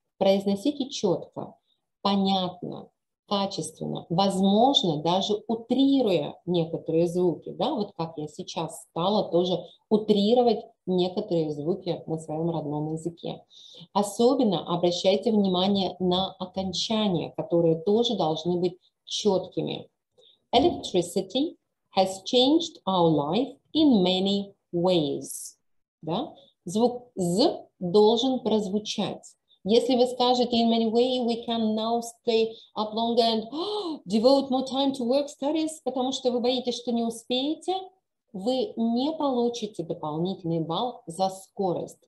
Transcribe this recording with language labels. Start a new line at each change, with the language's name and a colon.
Russian: Произносите четко, понятно, качественно, возможно, даже утрируя некоторые звуки. Да? Вот как я сейчас стала тоже утрировать некоторые звуки на своем родном языке. Особенно обращайте внимание на окончания, которые тоже должны быть четкими.
English: Electricity has changed our life in many ways.
Russian: да? Звук «з» должен прозвучать. Если вы скажете
English: «in many ways we can now stay up longer and devote more time to work studies»,
Russian: потому что вы боитесь, что не успеете, вы не получите дополнительный балл за скорость.